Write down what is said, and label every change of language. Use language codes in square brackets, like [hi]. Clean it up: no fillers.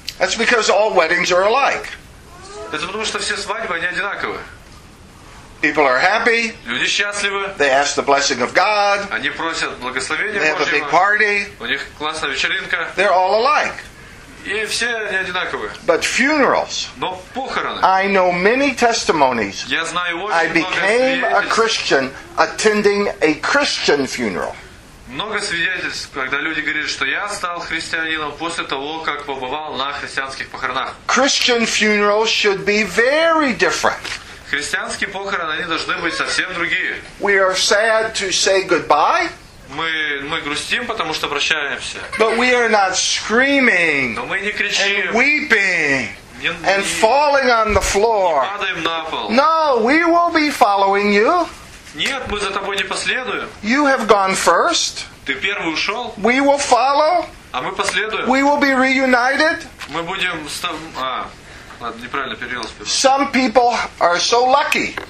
[en] That's because all weddings are alike. [ru] Это потому, что все свадьбы, они одинаковы. [en] People are happy. [ru] Люди счастливы. [en] They ask the blessing of God. [ru] Они просят благословения Божьего. [en] They have a big party. [ru] У них классная вечеринка. [en] They're all alike. [ru] И все они одинаковы. [en] But funerals. [ru] Но похороны. [en] I know many testimonies. [ru] Я знаю очень много свидетельств. [en] I became a Christian attending a Christian funeral. [ru] Много свидетельств, когда люди говорят, что я стал христианином после того, как побывал на христианских похоронах. [en] Christian funerals should be very different. [ru] Христианские похороны, они должны быть совсем другие. [en] We are sad to say goodbye. [ru] Мы грустим, потому что прощаемся. [en] But we are not screaming. [ru] Но мы не кричим. [en] And weeping. And falling on the floor. [ru] Не падаем на пол. [en] No, we will be following you. [ru] Нет, мы за тобой не последуем. [en] You have gone first. [ru] Ты первый ушел. [en] We will follow. [ru] А мы последуем. [en] We will be reunited. [ru] Мы будем с тобой... А, ладно, неправильно перевел. [en] Some people are so lucky.